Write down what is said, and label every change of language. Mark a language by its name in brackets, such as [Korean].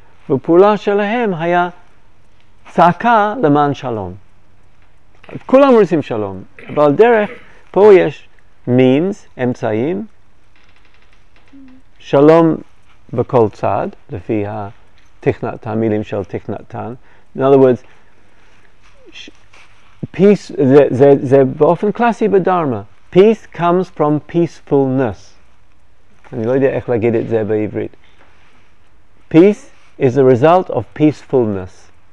[Hebrew] ופעולה שלהם היה צעקה למען שלום. כולם רוצים שלום, אבל דרך, פה יש means, אמצעים, שלום בכל צד, לפי המילים של תכנתן. [English] In other words, peace, [Hebrew] זה באופן קלאסי בדרמה. [English] Peace comes from peacefulness. [Hebrew] אני לא יודע איך להגיד את זה בעברית. [English] Peace is a result of peacefulness.